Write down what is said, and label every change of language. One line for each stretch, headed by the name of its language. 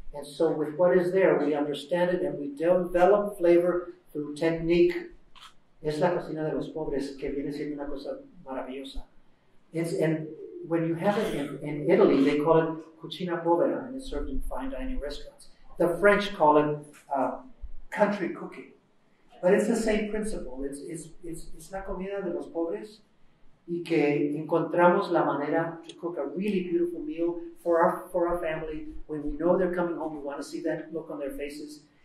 English: And so with what is there, we understand it, and we develop flavor through technique.
Spanish: Es la cocina de los pobres, que viene siendo una cosa maravillosa.
English: And when you have it in Italy, they call it cucina povera, and it's served in fine dining restaurants. The French call it country cooking. But it's the same principle. It's
Spanish: la comida de los pobres, y que encontramos la manera
English: to cook a really beautiful meal for our family. When we know they're coming home, we want to see that look on their faces.